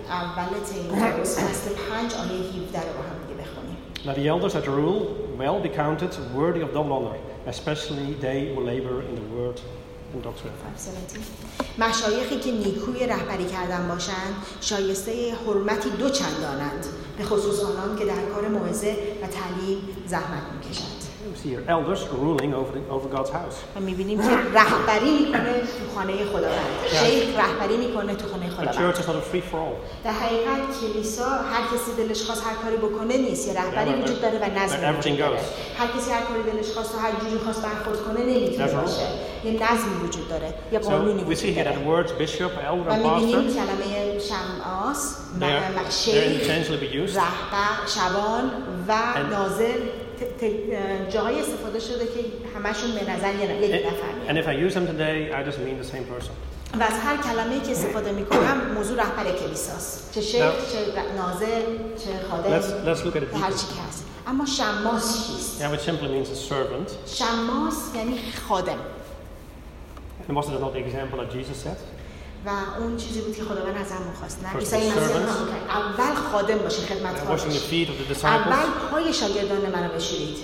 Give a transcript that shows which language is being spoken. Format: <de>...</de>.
<fa>اول تیموس فصل 5 آیه 17 رو با هم دیگه بخونیم.</fa> <en>Now the elders that rule well be counted worthy of double honor, especially they who labor in the word and doctrine. 5:17.</en> <fa>مشایخی که نیکوی رهبری کردن باشند شایسته حرمتی دو چندانند، به خصوص آنان که در کار موعظه و تعلیم زحمت میکشند.</fa> <en>We see here elders ruling over God's house.</en> <fa>و می‌بینیم که رهبری می‌کنه تو خانه خداوند. شیخ رهبری می‌کنه تو خانه خداوند.</fa> <en>The church is not a free for all.</en> <fa>در حقیقت کلیسا هر کسی دلش خواست هر کاری بکنه نیست. رهبری وجود داره و نظم.</fa> <en>Everything goes.</en> <fa>هر کسی هر کاری دلش خواست و هر جوری خواست برخورد کنه نمی‌تونه. یه نظم وجود داره. یه قانونی وجود داره.</fa> <en>So we see here that words bishop, elder, pastor.</en> <fa>و می‌بینیم کلمه شمعاس، شیخ، رهبر، شبان و ناظر جایی استفاده شده که همشون به نظر یک نفر میاد.</fa> <en>And if I use them today, I just mean the same person.</en> <fa>و از هر کلمه‌ای که استفاده می‌کنم موضوع رهبر کلیساست. چه شیخ، چه ناظر، چه خادم.</fa> <en>Let's look at it.</en> <fa>هر چی که هست. اما شماس چیست؟</fa> <en>Yeah, which simply means a servant.</en> <fa>شماس یعنی خادم.</fa> <en>And wasn't that the example that Jesus set?</en> <fa>و اون چیزی بود که خداوند ازم می‌خواست. نه عیسی مسیح اول خادم باشه، خدمتکارش. اول پای شاگردان منو بشورید.</fa>